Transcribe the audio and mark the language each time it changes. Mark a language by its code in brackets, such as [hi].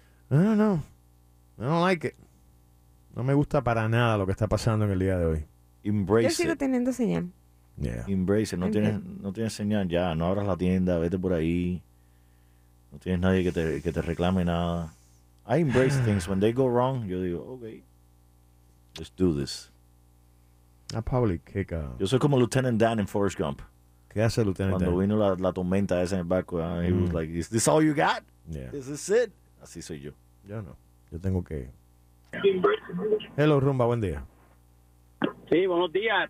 [en] No. I don't like it. [es] No me gusta para nada lo que está pasando en el día de hoy. [en] Embrace. [es] Yo sigo teniendo señal. [en] Yeah. Embrace. [es] No tienes señal ya. No abras la tienda, vete por ahí. No tienes nadie que te reclame nada. [en] I embrace things. When they go wrong, [es] yo digo, [en] okay, let's do this. I probably kick out. [es] Yo soy como Lieutenant Dan en Forrest Gump. ¿Qué hace Lieutenant Cuando Dan? Cuando vino la tormenta esa en el barco, [en] he was like, is this all you got? Yeah. Is this it? [es] Así soy yo. Yo no. Yo tengo que... Hello, Rumba, buen día. Sí, buenos días.